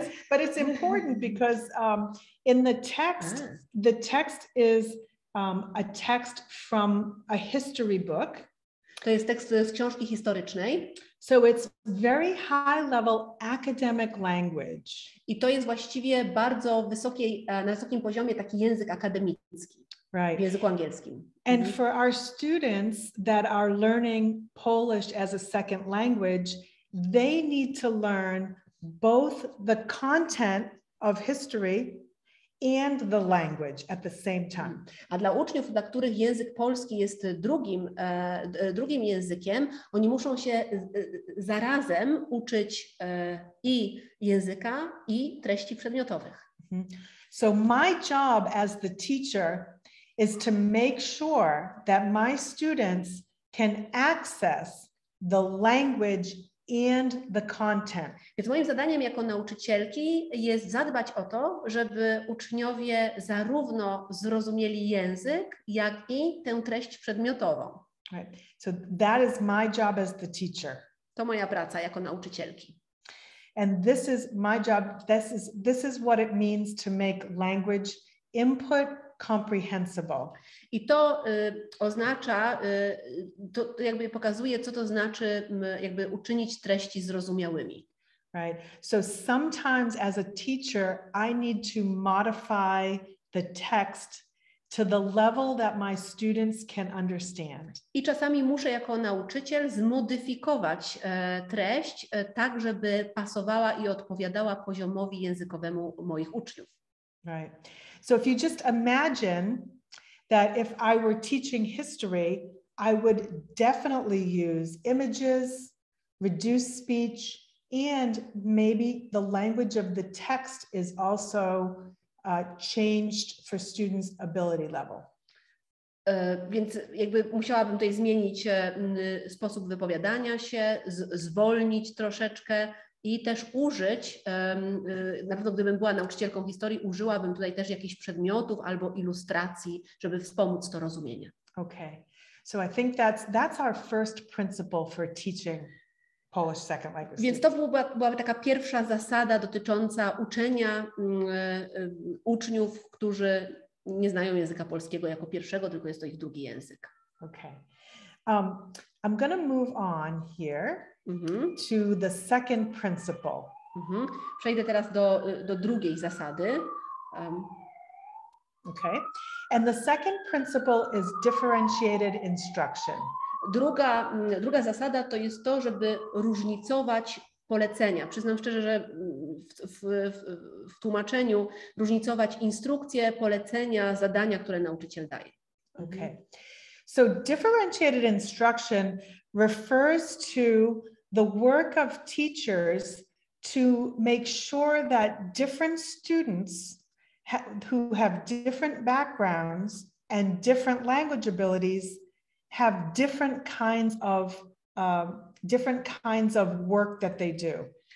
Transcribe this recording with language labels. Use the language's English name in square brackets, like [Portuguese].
[English] but it's important because in the text, the text is a text from a history book. [Polish] To jest tekst z książki historycznej. [English] So it's very high level academic language. [Polish] I to jest właściwie bardzo wysokiej, na wysokim poziomie taki język akademicki. [English] Right. [Polish] W języku angielskim. [English] And for our students that are learning Polish as a second language, they need to learn both the content of history and the language at the same time. [Polish] A dla uczniów, dla których język polski jest drugim językiem, oni muszą się zarazem uczyć i języka, i treści przedmiotowych. [English] So my job as the teacher is to make sure that my students can access the language and the content. [Polish] Więc moim zadaniem jako nauczycielki jest zadbać o to, żeby uczniowie zarówno zrozumieli język, jak i tę treść przedmiotową. [English] Right. So that is my job as the teacher. [Polish] To moja praca jako nauczycielki. [English] And this is my job. This is what it means to make language input comprehensible. [Polish] I to oznacza, to jakby pokazuje, co to znaczy, jakby uczynić treści zrozumiałymi. [English] Right. So sometimes as a teacher, I need to modify the text to the level that my students can understand. [Polish] I czasami muszę jako nauczyciel zmodyfikować treść tak, żeby pasowała i odpowiadała poziomowi językowemu moich uczniów. [English] Right. So if you just imagine that if I were teaching history, I would definitely use images, reduced speech, and maybe the language of the text is also changed for students' ability level. [Polish] Więc jakby musiałabym tutaj zmienić sposób wypowiadania się, zwolnić troszeczkę. I też użyć, na pewno gdybym była nauczycielką historii, użyłabym tutaj też jakichś przedmiotów albo ilustracji, żeby wspomóc to rozumienie. [English] Okay, so I think that's our first principle for teaching Polish second language. [Polish] Więc to byłaby taka pierwsza zasada dotycząca uczenia uczniów, którzy nie znają języka polskiego jako pierwszego, tylko jest to ich drugi język. [English] Okay, I'm gonna move on here. To the second principle. [Polish] Przejdę teraz do drugiej zasady. [English] Okay. And the second principle is differentiated instruction. [Polish] Druga zasada to jest to, żeby różnicować polecenia. Przyznam szczerze, że w tłumaczeniu różnicować instrukcje, polecenia, zadania, które nauczyciel daje. [English] Okay. So differentiated instruction refers to the work of teachers to make sure that different students who have different backgrounds and different language abilities have different kinds of work that they do.